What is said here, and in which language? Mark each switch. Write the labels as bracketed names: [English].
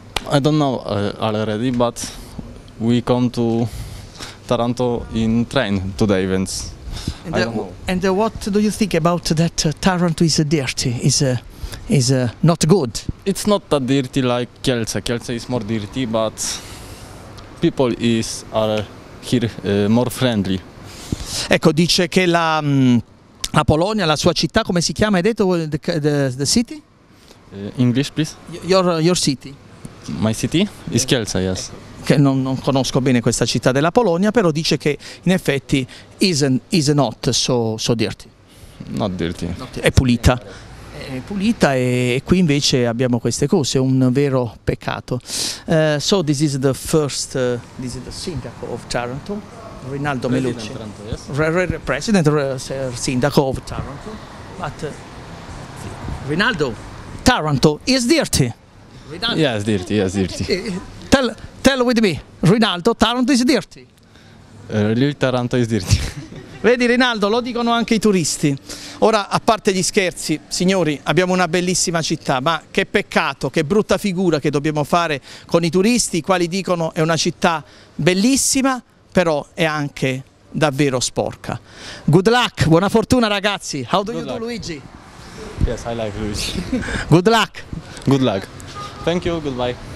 [English] I don't know already, but we come to Taranto in train today, Vince. And what do you think about that? Taranto is dirty. Is not good. It's not that dirty like Kielce. Kielce is more dirty, but people are here more friendly. [Italian] Ecco, dice che la Polonia, la sua città, come si chiama? Hai detto [English] the city? English, please. Your city. My city is Kielce, yes. [Italian] Ecco. Che non conosco bene questa città della Polonia, però dice che in effetti [English] is not so dirty. Not dirty. [Italian] È pulita. È pulita e qui invece abbiamo queste cose, un vero peccato. [English] So this is the first this is the sindaco of Taranto, Rinaldo Melucci. President, yes. President sindaco of Taranto. But Rinaldo, Taranto is dirty. Yes, dirty, yes, dirty. Tell with me, Rinaldo, Taranto is dirty. Lui Taranto is dirty. [Italian] Vedi Rinaldo, lo dicono anche i turisti. Ora, a parte gli scherzi, signori, abbiamo una bellissima città, ma che peccato, che brutta figura che dobbiamo fare con i turisti, i quali dicono è una città bellissima, però è anche davvero sporca. [English] Good luck, [Italian] buona fortuna ragazzi. [English] How do Good you luck. Do Luigi? Yes, I like Luigi. Good luck. Good luck. Thank you, goodbye.